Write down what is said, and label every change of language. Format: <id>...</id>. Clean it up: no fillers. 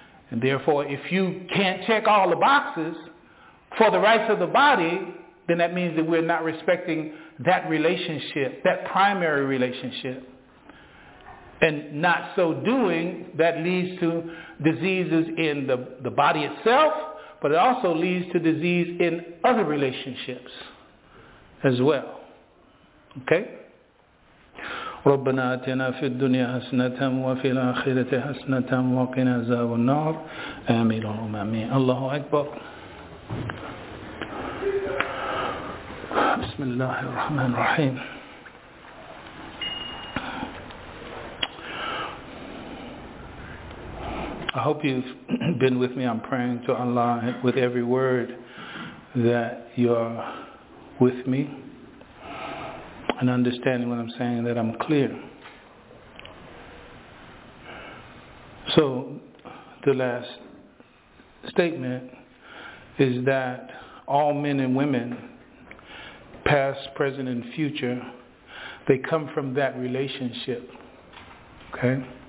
<en>And therefore, if you can't check all the boxes for the rights of the body, then that means that we're not respecting that relationship, that primary relationship. And not so doing, that leads to diseases in the body itself, but it also leads to disease in other relationships as well. Okay?</en> <ar>ربنا آتنا في الدنيا حسنة وفي الآخرة حسنة وقنا عذاب النار آمين اللهم آمين الله أكبر بسم الله الرحمن الرحيم</ar> <en>I hope you've been with me. I'm praying to Allah with every word that you're with me and understanding what I'm saying, that I'm clear. So the last statement is that all men and women, past, present, and future, they come from that relationship. Okay?</en>